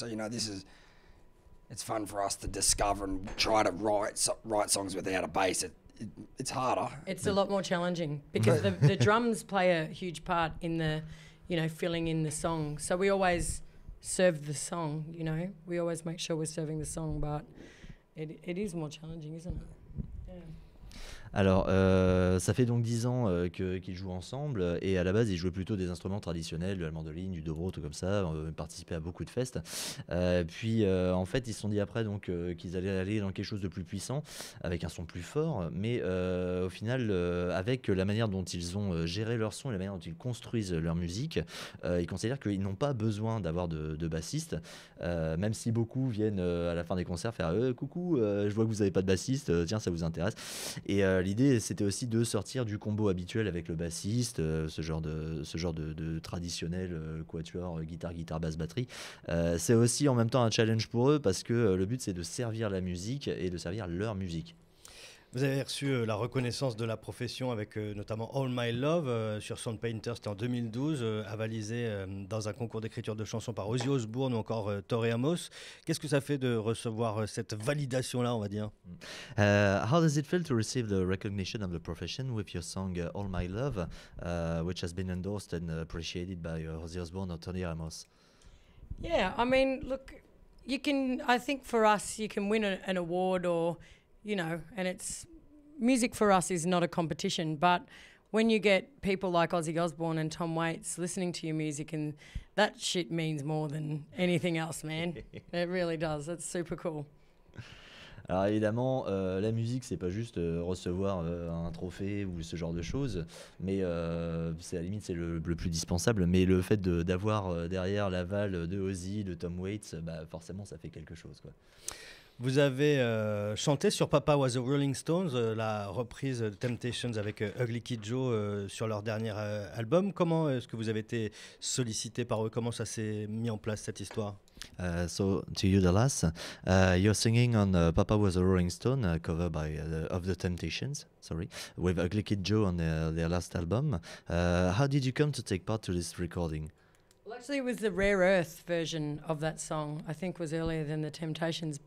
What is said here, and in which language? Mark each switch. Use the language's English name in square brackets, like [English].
[English] So, you know, this is, it's fun for us to discover and try to write songs without a bass. It's harder. It's a lot more challenging because the drums play a huge part in the, you know, filling in the song. So we always serve the song, you know. We always make sure we're serving the song, but it is more challenging, isn't it? Yeah. [French] Alors, ça fait donc 10 ans qu'ils jouent ensemble, et à la base, ils jouaient plutôt des instruments traditionnels, de la mandoline, du dobro, tout comme ça, participaient à beaucoup de festes. Puis, en fait, ils se sont dit après donc, qu'ils allaient aller dans quelque chose de plus puissant, avec un son plus fort, mais au final, avec la manière dont ils ont géré leur son, la manière dont ils construisent leur musique, ils considèrent qu'ils n'ont pas besoin d'avoir de bassiste, même si beaucoup viennent à la fin des concerts faire « Coucou, je vois que vous n'avez pas de bassiste, tiens, ça vous intéresse ?» Et l'idée, c'était aussi de sortir du combo habituel avec le bassiste, ce genre de traditionnel quatuor, guitare, basse, batterie. C'est aussi en même temps un challenge pour eux parce que le but, c'est de servir la musique et de servir leur musique. Vous avez reçu la reconnaissance de la profession avec notamment All My Love sur Sound Painter, c'était en 2012, avalisé dans un concours d'écriture de chansons par Ozzy Osbourne ou encore Tori Amos. Qu'est-ce que ça fait de recevoir cette validation-là, on va dire? [English] How does it feel to receive the recognition of the profession with your song All My Love, which has been endorsed and appreciated by Ozzy Osbourne or Tori Amos? Yeah, I mean, look, you can, I think for us, you can win an award or, you know, and it's, music for us is not a competition, but when you get people like Ozzy Osbourne and Tom Waits listening to your music, and that shit means more than anything else, man. It really does. It's super cool. [French] Alors évidemment, la musique, c'est pas juste recevoir un trophée ou ce genre de choses, mais c'est à la limite, c'est le plus dispensable. Mais le fait d'avoir derrière l'aval de Ozzy, de Tom Waits, bah forcément, ça fait quelque chose, quoi. Vous avez chanté sur Papa Was a Rolling Stones, la reprise de Temptations avec Ugly Kid Joe sur leur dernier album. Comment est-ce que vous avez été sollicité par eux? Comment ça s'est mis en place, cette histoire? [English] So, to you, Dallas, you're singing on Papa Was a Rolling Stone, cover by of the Temptations, sorry, with Ugly Kid Joe on their last album. How did you come to take part to this recording? Well, actually, it was the Rare Earth version of that song, I think was earlier than the Temptations.